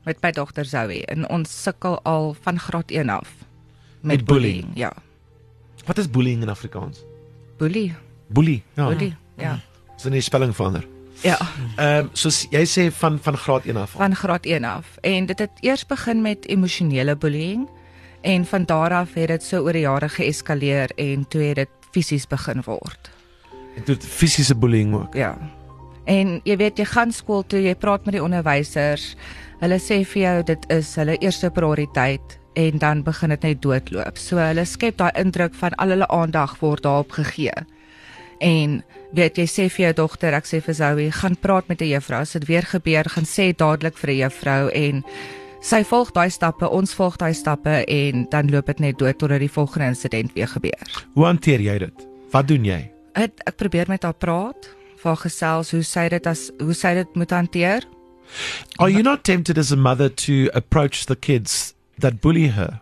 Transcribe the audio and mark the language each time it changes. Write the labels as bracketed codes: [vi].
[af] Met my dochter Zoe, en ons sukkel al van graad 1 af. Met bullying? Ja. Wat is bullying in Afrikaans? Bully. Bully, ja. Bully, ja. Is dit nie spelling van haar? Ja. Soos jy sê van graad 1 af. Van graad 1 af. En dit het eers begin met emosionele bullying. En van daar af het dit so oor die jare geëskaleer en toe het dit fisies begin word. En toe het fysiese bullying ook? Ja. En jy weet, jy gaan skool toe, jy praat met die onderwysers. Hulle sê vir jou, dit is hulle eerste prioriteit. En dan begin dit net doodloop. So hulle skep daai indruk van al hulle aandag word daarop gegee. En weet, jy sê vir jou dogter, ek sê vir Zoe, gaan praat met die juffrou, as dit weer gebeur, gaan sê dadelik vir die juffrou en sy volg daai stappe, ons volg daai stappe en dan loop dit net dood totdat die volgende incident weer gebeur. Hoe hanteer jy dit? Wat doen jy? Ek probeer met haar praat, vir gesels, hoe sy dit moet hanteer. [en] Are you not tempted as a mother to approach the kids that bully her?